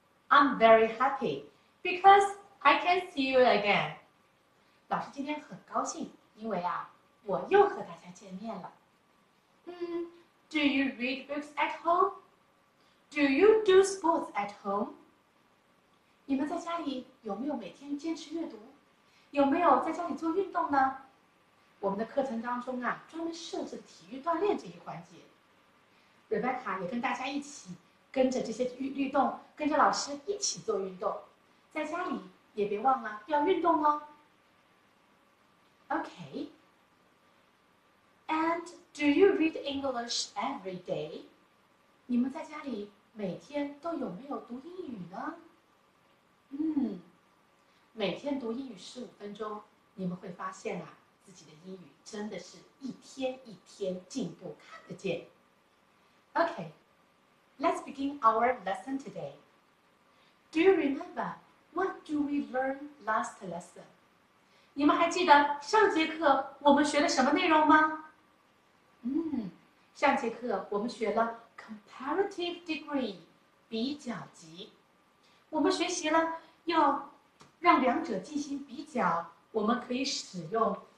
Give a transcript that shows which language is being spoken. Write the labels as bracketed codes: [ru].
[en] I'm very happy because I can see you again. [zh] 老师今天很高兴，因为啊，我又和大家见面了。 [en] Do you read books at home? Do you do sports at home? [zh] 你们在家里有没有每天坚持阅读？有没有在家里做运动呢？我们的课程当中啊，专门设置体育锻炼这一环节。 Rebecca 也跟大家一起跟着这些律动，跟着老师一起做运动，在家里也别忘了要运动哦。 [en] OK，And do you read English every day？ [zh] 你们在家里每天都有没有读英语呢？每天读英语15分钟，你们会发现啊。自己的英语真的是一天一天进步，看得见。 [en] OK，let's begin our lesson today. Do you remember what do we learn last lesson? [zh] 你们还记得上节课我们学了什么内容吗？上节课我们学了 comparative degree，比较级。我们学习了要让两者进行比较，我们可以使用。